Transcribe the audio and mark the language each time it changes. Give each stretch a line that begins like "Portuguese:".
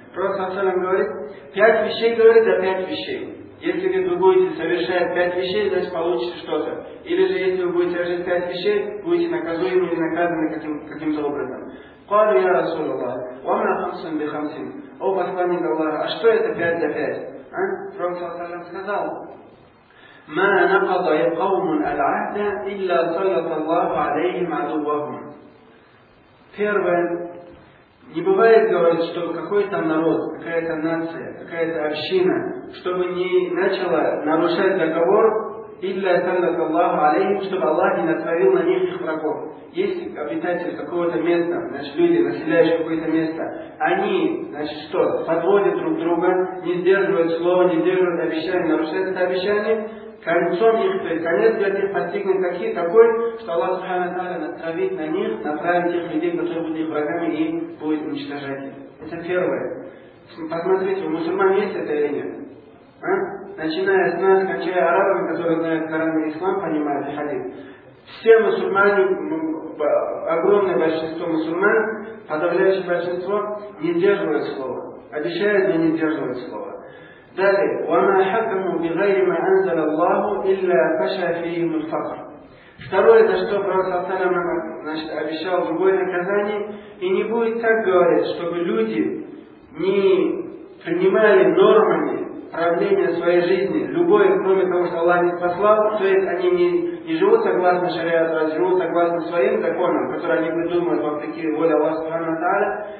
Russian: Пророк саллаллаху говорит, пять вещей говорит за пять вещей. Если вы будете совершать пять вещей, значит, получите что-то. Или же, если вы будете совершать пять вещей, будете наказуемы или наказаны каким-то образом.
Arabic: Кал я расул Аллах, вам на хамсун би хамсин.
Russian: О, посланник Аллаха, а что это пять за пять? Пророк саллаллаху алейхи ва саллям сказал,
Arabic: ما نقض قوم العهد إلا سلط الله عليهم عدوهم.
Russian: Первое, не бывает, говорит, чтобы какой-то народ, какая-то нация, какая-то община, чтобы не начала нарушать договор,
Arabic: إلا سلط الله عليهم,
Russian: чтобы Аллах не натворил на них их врагов. Если обитатели какого-то места, значит, люди, населяющие какое-то место, они, значит, что, подводят друг друга, не сдерживают слово, не сдерживают обещания, нарушают это обещание, концом их, то есть конец для них постигнет такой, что Аллах Субхану Тааля натравит на них, направит их людей, которые будут их врагами и будет уничтожать их. Это первое. Посмотрите, у мусульман есть это или нет? Начиная с нас, кончая арабами, которые знают Коран и Ислам, понимают и хадис. Все мусульмане, огромное большинство мусульман, подавляющее большинство, не сдерживают слова. Обещают, но не сдерживают слова. Далее,
Arabic: وَمَا حَكَمُوا بِغَيْرِ مَا أَنزَلَ اللَّهُ إِلَّا فَشَى فِيهِمُ الْفَقْرِ.
Russian: Второе, это что пророк саллаллаху обещал другое наказание, и не будет так говорить, чтобы люди не принимали нормами правления своей жизни, любое, кроме того, что Аллах не послал, то есть они не живут согласно шариату, а живут согласно своим законам, которые они придумают вопреки воле Аллаха Субхану Тааля.